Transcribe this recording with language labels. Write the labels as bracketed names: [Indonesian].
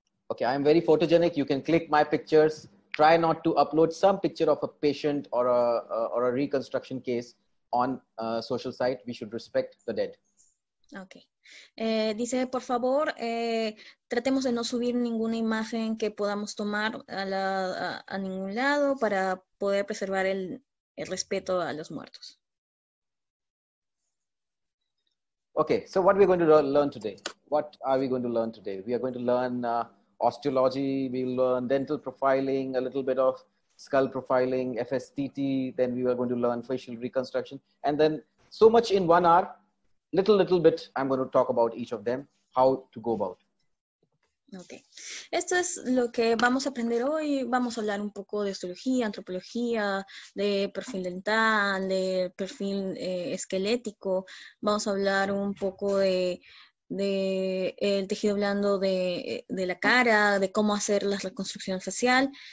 [English] Okay, I am very photogenic. You can click my pictures. Try not to upload some picture of a patient or a reconstruction case on a social site. We should respect the dead. Okay. [Spanish] Dice, por favor, tratemos de no subir ninguna imagen que podamos tomar a ningún lado para poder preservar el respeto a los muertos. [English] Okay, so what are we going to learn today? What are we going to learn today? We are going to learn osteology, we will learn dental profiling, a little bit of skull profiling, FSTT, then we are going to learn facial reconstruction. And then so much in 1 hour, little bit, I'm going to talk about each of them, how to go about. Okay. [Spanish] Esto es lo que vamos a aprender hoy. Vamos a hablar un poco de osteología, antropología, de perfil dental, de perfil esquelético. Vamos a hablar un poco del tejido blando de la cara, de cómo hacer la reconstrucción facial.